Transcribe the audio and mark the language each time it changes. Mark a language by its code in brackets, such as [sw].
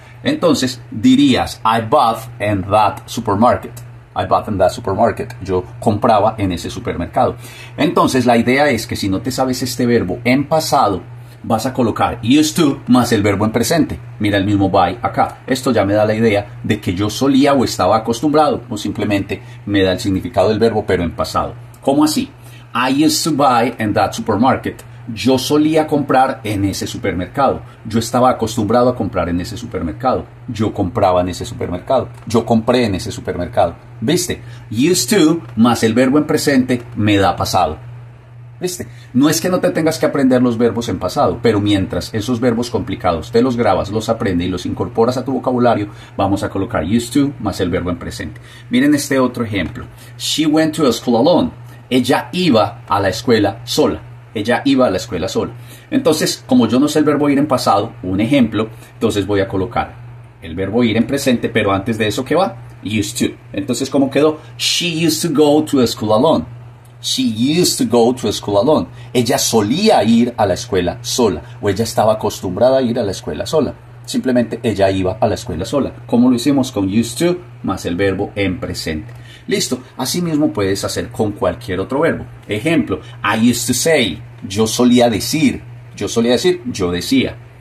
[es] Entonces dirías, [en] I bought in that supermarket. I bought in that supermarket. [es] Yo compraba en ese supermercado. Entonces la idea es que si no te sabes este verbo en pasado, vas a colocar used to más el verbo en presente. Mira el mismo buy acá. Esto ya me da la idea de que yo solía o estaba acostumbrado, o simplemente me da el significado del verbo, pero en pasado. ¿Cómo así? [en] I used to buy in that supermarket. [es] Yo solía comprar en ese supermercado. Yo estaba acostumbrado a comprar en ese supermercado. Yo compraba en ese supermercado. Yo compré en ese supermercado. ¿Viste? Used to más el verbo en presente me da pasado. ¿Viste? No es que no te tengas que aprender los verbos en pasado, pero mientras esos verbos complicados te los grabas, los aprendes y los incorporas a tu vocabulario, vamos a colocar used to más el verbo en presente. Miren este otro ejemplo. [en] She went to school alone. [es] Ella iba a la escuela sola. Ella iba a la escuela sola. Entonces, como yo no sé el verbo ir en pasado, un ejemplo, entonces voy a colocar el verbo ir en presente, pero antes de eso, ¿qué va? Used to. Entonces, ¿cómo quedó? [en] She used to go to school alone. She used to go to school alone. [es] Ella solía ir a la escuela sola, o ella estaba acostumbrada a ir a la escuela sola. Simplemente ella iba a la escuela sola. ¿Cómo lo hicimos? Con used to más el verbo en presente. Listo. Asimismo puedes hacer con cualquier otro verbo. Ejemplo, [en] I used to say. [es] Yo solía decir. Yo solía decir. Yo decía.